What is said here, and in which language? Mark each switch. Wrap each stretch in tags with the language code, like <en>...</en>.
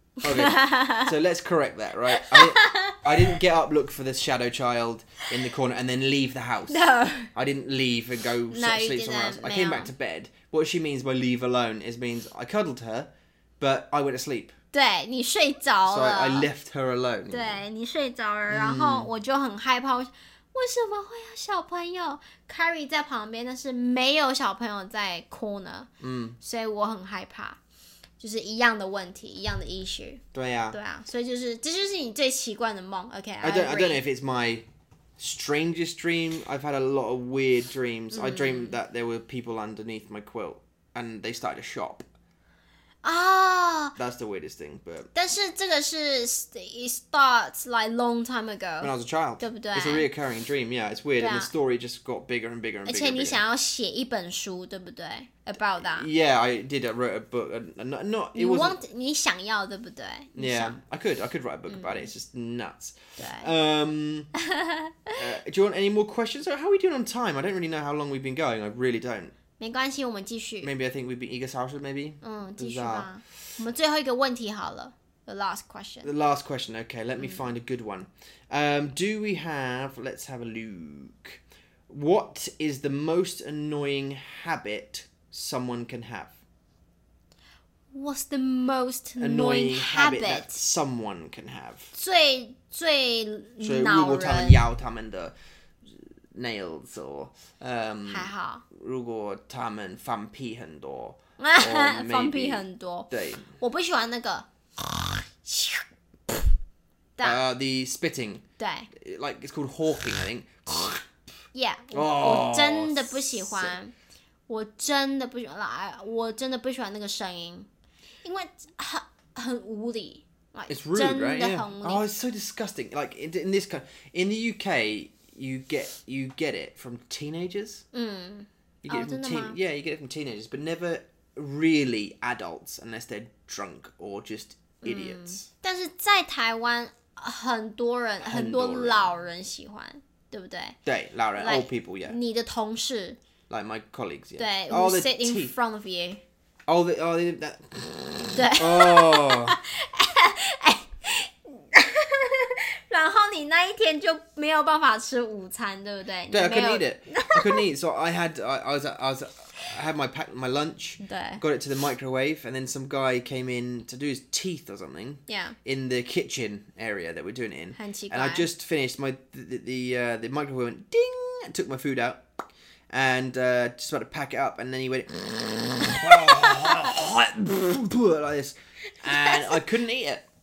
<en>okay, so let's correct that, right? I didn't get up, look for the shadow child in the corner, and then leave the house. No. I didn't leave and go sleep somewhere else. I came back to bed. What she means by leave alone is means I cuddled her, but I went to sleep.</en> <zh>对你睡着了。</zh> <en>So I left her alone.</en> <zh>对你睡着了，然后我就很害怕。为什么会有小朋友 carry 在旁边？但是没有小朋友在 corner. 所以我很害怕。就是一样的问题，一样的 issue。对呀、啊，对啊，所以就是这就是你最奇怪的梦。</zh> <en>OK， I don't know if it's my strangest dream. I've had a lot of weird dreams.、Mm. I dreamed that there were people underneath my quilt and they started a shop. That's the weirdest thing. But</en> <zh>但是这个是</zh> <en>it starts like long time ago when I was a child，</en> <zh>对不对</zh> <en>？It's a reoccurring dream. Yeah, it's weird、啊、and the story just got bigger and bigger and bigger.</en> <zh>而且你想要写一本书，对不对？</zh> <en>About that. Yeah, I did. I wrote a book. Not, it you want,</en> <zh>你想要对不对</zh> <en>Yeah, I could write a book、mm. about it. It's just nuts.</en> <zh>对、</zh> <en>do you want any more questions? How are we doing on time? I don't really know how long we've been going. I really don't.</en> <zh>没关系，我们继续。</zh> <en>Maybe I think we've been</en> <zh>一个小时</zh> <en>maybe.</en> <zh>嗯，继续吧。我们最后一个问题好了。</zh> <en>The last question. The last question. Okay, let me find a good one. Do we have... Let's have a look. What is the most annoying habit... someone can have what's the most annoying habit that someone can have</en> <zh>最恼人如果他们咬他们的 nails or 还好如果他们放屁很多 or</zh> <en>maybe,</en> <zh>放屁很多对我不喜欢那个</zh> <en>the spitting</en> <zh>对</zh> <en>like it's called hawking I think</en> <zh>yeah、oh, 我真的不喜欢我真的不喜欢，我真的不喜欢那个声音，因为很无理。</zh> <en>Like, it's rude,</en> <zh>真的很无理</zh> <en>right? Yeah. Oh, it's so disgusting. Like in this kind, in the UK, you get it from teenagers. Mm. You get、oh, it from teenagers. Yeah, you get it from teenagers, but never really adults unless they're drunk or just idiots.、Mm.</en> <zh>但是在台湾，很多老人喜欢，对不对？</zh> <en>对，老人 like, old people, yeah.</en> <zh>你的同事。</zh> <en>Like my colleagues, yeah. 对 ，who、oh, sit in front of you. Oh, the that.</en> <zh>对。哦、oh. 欸。然后你那一天就没有办法吃午餐，对不对？</zh> <en>对 ，I couldn't eat it. I couldn't eat, so I had my pack my lunch.</en> <zh>对。</zh> <en>Got it to the microwave, and then some guy came in to do his teeth or something. Yeah. In the kitchen area that we're doing it in.</en> <zh>很奇怪。</zh> <en>And I just finished my the microwave went ding, and took my food out. And just about to pack it up, and then he went like this, and I couldn't eat it.</en>